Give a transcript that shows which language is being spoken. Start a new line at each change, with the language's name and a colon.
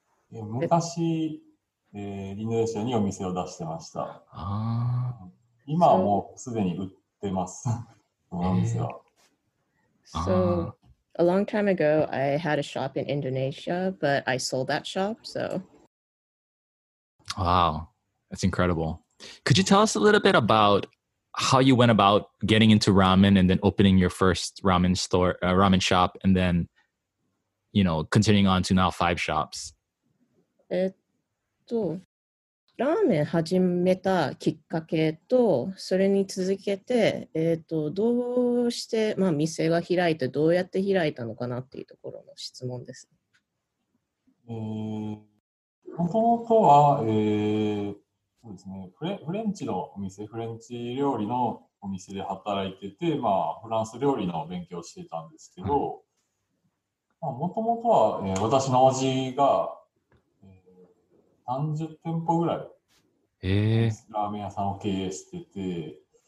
Japanese: 昔、インドネシアにお店を出してました。 Ah. 今はもうすでに売ってます。このお店は。
English: So, a long time ago, I had a shop in Indonesia, but I sold that shop, so... Wow, that's incredible. Could you tell us a little bit about how you went about getting into ramen and then opening your first ramen store, ramen shop, and then... You know, continuing on to now five shops.
Japanese: ラーメン始めたきっかけと、それに続けて、どうして、まあ、店が開いて、どうやって開いたのかなっていうところの質問です。もともとは、そうですね、フレンチのお店、フレンチ料理のお店で働いてて、まあ、フランス料理の勉強をしてたんですけど、うんもともとは、私の叔父が、30店舗ぐらい、ラーメン屋さんを経営してて、